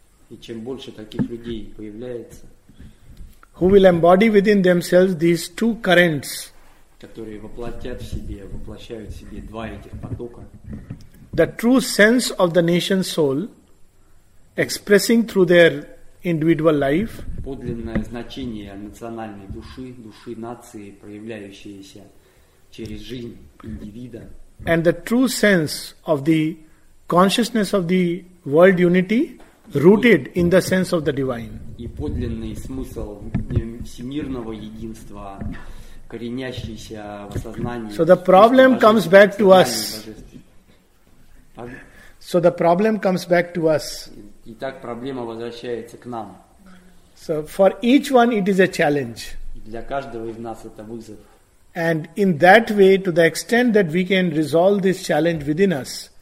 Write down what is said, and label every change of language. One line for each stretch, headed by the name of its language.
Russian: и чем больше таких людей появляется,
English: who will embody within themselves these two currents,
Russian: которые воплощают в себе два этих потока,
English: the true sense of the nation's soul, expressing through their individual life,
Russian: подлинное значение национальной души нации, проявляющееся через жизнь индивида,
English: and the true sense of the consciousness of the world unity, rooted in the sense of the divine,
Russian: и подлинный смысл всемирного единства, коренящийся в сознании.
English: So the problem comes back to us. So the problem comes back to us.
Russian: Итак, проблема возвращается к нам.
English: So for each one it is a challenge.
Russian: Для каждого из нас это вызов.
English: And in that way, to the extent that we can resolve this challenge within us.